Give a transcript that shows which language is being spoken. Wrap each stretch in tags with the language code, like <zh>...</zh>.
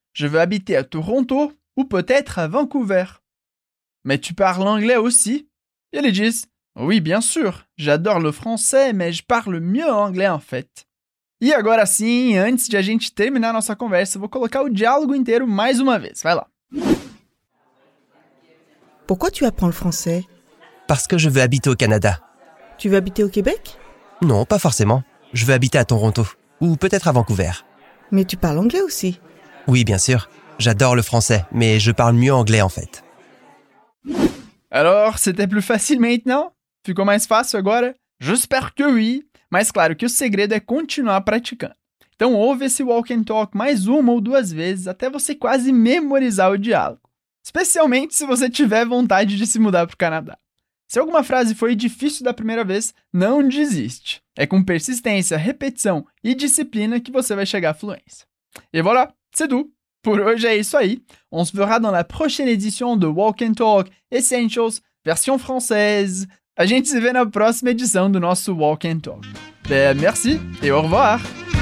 <fr>Je veux habiter à Toronto ou peut-être à Vancouver. Mais tu parles anglais aussi?</fr> <pt>E ele diz</pt> <fr>Oui, bien sûr. J'adore le français, mais je parle mieux anglais, en fait.</fr> <pt>E agora sim, antes de a gente terminar nossa conversa, vou colocar o diálogo inteiro mais uma vez. Vai lá.</pt> <fr>Pourquoi tu apprends le français? Parce que je veux habiter au Canada. Tu veux habiter au Québec? Non, pas forcément. Je veux habiter à Toronto. Ou peut-être à Vancouver. Mais tu parles anglais aussi? Oui, bien sûr. J'adore le français, mais je parle mieux anglais, en fait. Alors, c'était plus facile maintenant?</fr> <pt>Ficou mais fácil agora?</pt> <fr>J'espère que oui!</fr> <pt>Mas claro que o segredo é continuar praticando. Então, ouve esse walk and talk mais uma ou duas vezes até você quase memorizar o diálogo. Especialmente se você tiver vontade de se mudar para o Canadá. Se alguma frase foi difícil da primeira vez, não desiste. É com persistência, repetição e disciplina que você vai chegar à fluência.</pt> <fr>Et voilà, c'est tout!</fr> <pt>Por hoje é isso aí.</pt> <fr>On se verra dans la prochaine édition de Walk and Talk Essentials, version française.</fr> <pt>A gente se vê na próxima edição do nosso Walk and Talk.</pt> <fr>Merci et au revoir!</fr>